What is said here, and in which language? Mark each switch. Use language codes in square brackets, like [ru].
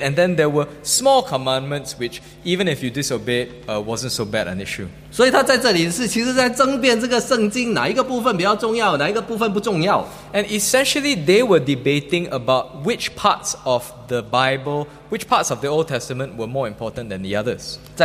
[en] And then there were small commandments which, even if you disobeyed, wasn't so bad an issue. [zh] 所以他在这里是其实在争辩这个圣经哪一个部分比较重要，哪一个部分不重要。 [en] And essentially, they were debating about which parts of the Bible, which parts of the Old Testament were more important than the others.